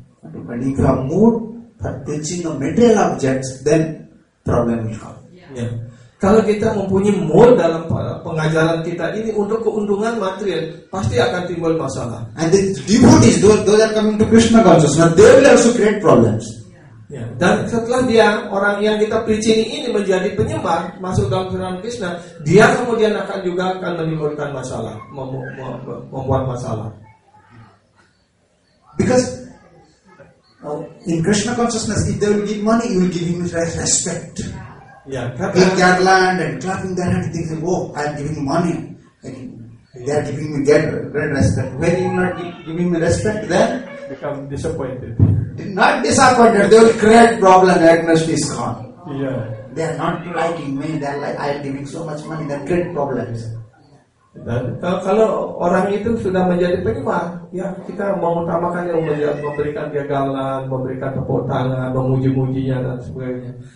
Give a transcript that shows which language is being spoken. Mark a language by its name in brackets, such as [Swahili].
[English] If you have mood for preaching the material objects, then problem will come. [Indonesian] Kalau kita mempunyai mood dalam pengajaran kita ini untuk keuntungan material, pasti akan timbul masalah. [English] And the devotees, those are coming to Krishna consciousness, they will also create problems. Yeah. [Indonesian] Dan setelah dia, orang yang kita preaching ini menjadi penyembah, masuk dalam sinar Krishna, dia kemudian akan menimbulkan masalah, membuat masalah. [English] Because in Krishna consciousness, if they will give money, you will give him respect. Yeah, in garland and clapping their hands, they say, "Oh, I am giving you money. They are giving me great respect. When you not giving me respect, then become disappointed. Not disappointed. They will create problem. Agnes is gone. Yeah, they are not liking me. They are like, I am giving so much money. They create problems. [Indonesian] Dan kalau orang itu sudah menjadi penyembah, ya kita mengutamakan yang memberikan dia garland, memberikan tepuk tangan, memuji-mujinya dan sebagainya.